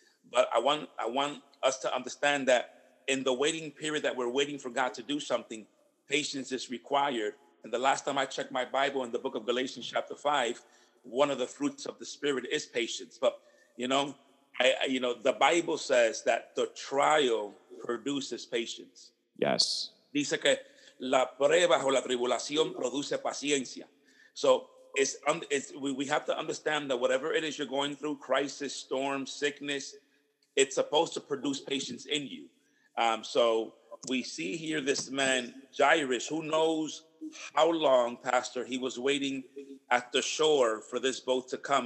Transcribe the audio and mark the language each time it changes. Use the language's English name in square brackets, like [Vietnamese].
[English] But I want us to understand that in the waiting period that we're waiting for God to do something, patience is required. And the last time I checked my Bible in the book of Galatians chapter 5, one of the fruits of the Spirit is patience. But, I the Bible says that the trial produces patience. Yes. [Spanish] Dice que la prueba o la tribulación produce paciencia. [English] So we have to understand that whatever it is you're going through, crisis, storm, sickness, it's supposed to produce patience in you. So we see here this man, Jairus, who knows how long, Pastor, he was waiting at the shore for this boat to come.